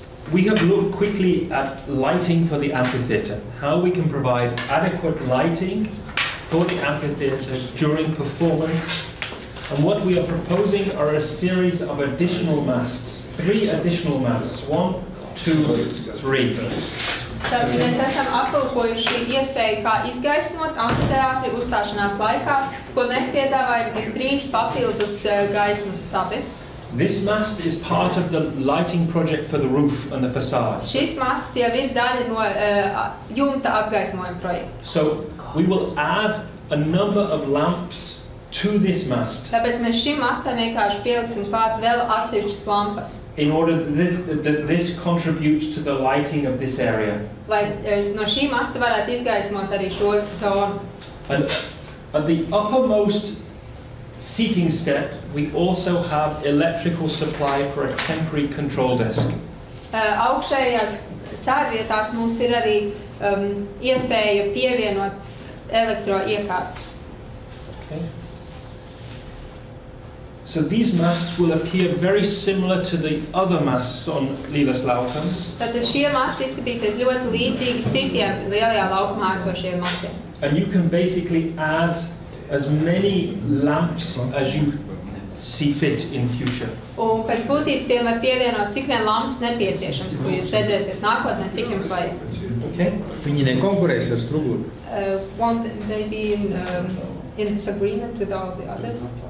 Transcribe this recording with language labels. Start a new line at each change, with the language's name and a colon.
English: We have looked quickly at lighting for the amphitheater, how we can provide adequate lighting for the amphitheater during performance. And what we are proposing are a series of additional masts, three additional masts, one, two, three.
Latvian: Tātad mēs esam aplūkojuši iespēju, kā izgaismot amfiteātri uzstāšanās laikā, ko mēs piedāvājam ir trīs papildus gaismas stabi.
English: This mast is part of the lighting project for the roof and the facade.
Latvian: Šis masts jau ir daļa no jumta apgaismojuma projekta.
English: So we will add a number of lamps to this mast.
Latvian: Tāpēc mēs šim mastam vienkārši pieliksim pār vēl atsevišķas lampas.
English: In order that this contributes to the lighting of this area.
Latvian: Lai no šī masta varētu izgaismot arī šo zonu.
English: And at the uppermost seating step, we also have electrical supply for a temporary control desk.
Latvian: Augšējās sēdvietās mums ir arī iespēja pievienot elektroiekārtus.
English: Okay. So these masts will appear very similar to the other masts on Lielas laukums.
Latvian: Tātad šie masti izskatīsies ļoti līdzīgi citiem lielajā laukumā esošiem mastiem.
English: And you can basically add as many lamps as you see fit in future.
Latvian: Un pēc būtības tiem var pievienot, cik vien lampas nepieciešams, ko jūs redzēsiet nākotnē, cik jums vajag.
English: Okay.
Latvian: Viņi nekonkurēs ar struguru.
English: Won't they be in disagreement with all the others?